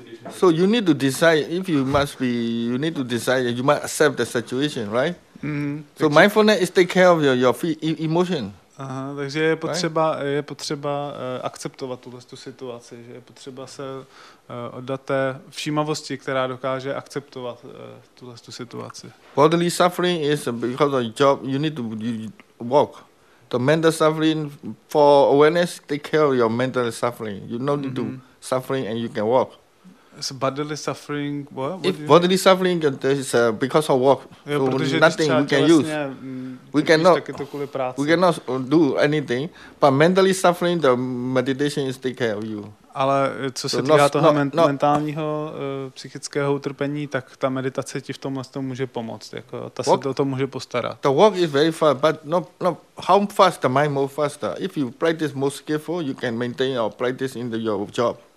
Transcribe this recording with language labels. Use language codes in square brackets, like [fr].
[en] So you need to decide if you must be. You need to decide. You must accept the situation, right? Mm-hmm. So mindfulness is take care of your emotion. [cs] Takže je potřeba [en] right? [cs] Je potřeba akceptovat tuhle tu situaci. Že je potřeba se oddat té všímavosti, která dokáže akceptovat tuhle tu situaci. [en] Bodily suffering is because of your job. You need to walk. The mental suffering for awareness, take care of your mental suffering. You don't need to suffering and you can walk. So bodily suffering, what? If bodily suffering, is because of work. [cs] Jo, [en] so nothing we can use. We cannot do anything. But mentally suffering, the meditation is take care of you. [cs] Ale co se týká toho mentálního psychického utrpení, tak ta meditace ti v tomhle tom může pomoct. Jako, ta [en] walk, [cs] se o to může postarat. [en] The walk is very fast, but no, how fast the mind move faster? If you practice most careful, you can maintain or practice in your job.